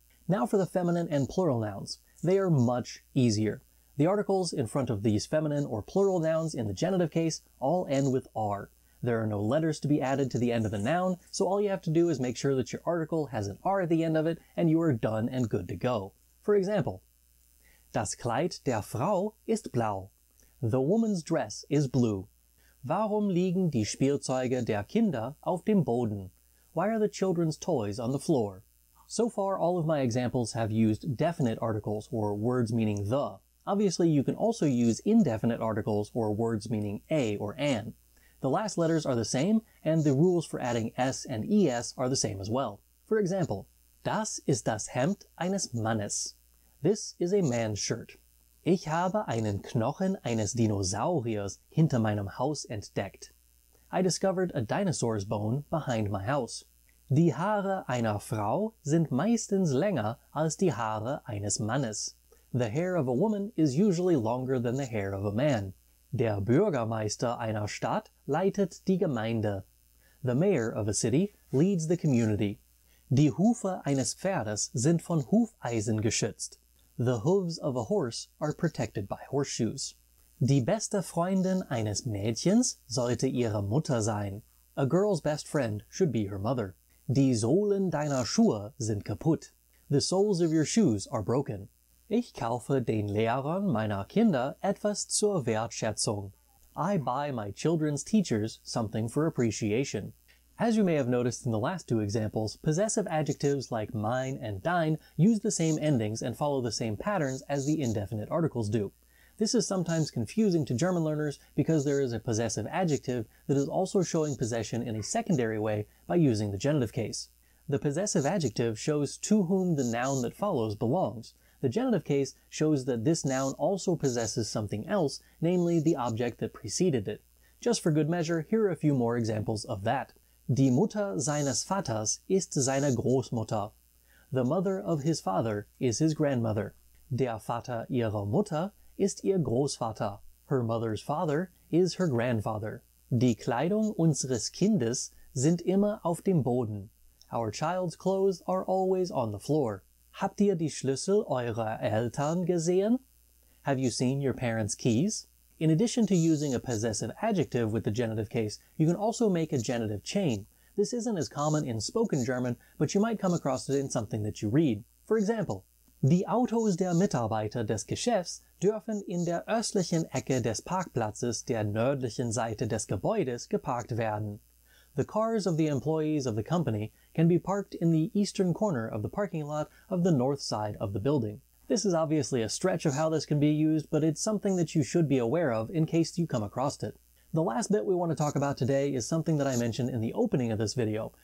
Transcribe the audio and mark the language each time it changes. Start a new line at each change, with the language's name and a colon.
English: Now for the feminine and plural nouns. They are much easier. The articles in front of these feminine or plural nouns in the genitive case all end with R. There are no letters to be added to the end of the noun, so all you have to do is make sure that your article has an R at the end of it, and you are done and good to go. For example,
German: das Kleid der Frau ist blau.
English: The woman's dress is blue.
German: Warum liegen die Spielzeuge der Kinder auf dem Boden?
English: Why are the children's toys on the floor? So far, all of my examples have used definite articles or words meaning the. Obviously, you can also use indefinite articles or words meaning a or an. The last letters are the same, and the rules for adding S and ES are the same as well. For example,
German: das ist das Hemd eines Mannes.
English: This is a man's shirt.
German: Ich habe einen Knochen eines Dinosauriers hinter meinem Haus entdeckt.
English: I discovered a dinosaur's bone behind my house.
German: Die Haare einer Frau sind meistens länger als die Haare eines Mannes.
English: The hair of a woman is usually longer than the hair of a man.
German: Der Bürgermeister einer Stadt leitet die Gemeinde.
English: The mayor of a city leads the community.
German: Die Hufe eines Pferdes sind von Hufeisen geschützt.
English: The hooves of a horse are protected by horseshoes.
German: Die beste Freundin eines Mädchens sollte ihre Mutter sein.
English: A girl's best friend should be her mother.
German: Die Sohlen deiner Schuhe sind kaputt.
English: The soles of your shoes are broken.
German: Ich kaufe den Lehrern meiner Kinder etwas zur Wertschätzung.
English: I buy my children's teachers something for appreciation. As you may have noticed in the last two examples, possessive adjectives like mine and dine use the same endings and follow the same patterns as the indefinite articles do. This is sometimes confusing to German learners because there is a possessive adjective that is also showing possession in a secondary way by using the genitive case. The possessive adjective shows to whom the noun that follows belongs. The genitive case shows that this noun also possesses something else, namely the object that preceded it. Just for good measure, here are a few more examples of that.
German: Die Mutter seines Vaters ist seine Großmutter.
English: The mother of his father is his grandmother.
German: Der Vater ihrer Mutter ist ihr Großvater.
English: Her mother's father is her grandfather.
German: Die Kleidung unseres Kindes sind immer auf dem Boden.
English: Our child's clothes are always on the floor.
German: Habt ihr die Schlüssel eurer Eltern gesehen?
English: Have you seen your parents' keys? In addition to using a possessive adjective with the genitive case, you can also make a genitive chain. This isn't as common in spoken German, but you might come across it in something that you read. For example,
German: die Autos der Mitarbeiter des Geschäfts dürfen in der östlichen Ecke des Parkplatzes der nördlichen Seite des Gebäudes geparkt werden.
English: The cars of the employees of the company can be parked in the eastern corner of the parking lot of the north side of the building. This is obviously a stretch of how this can be used, but it's something that you should be aware of in case you come across it. The last bit we want to talk about today is something that I mentioned in the opening of this video.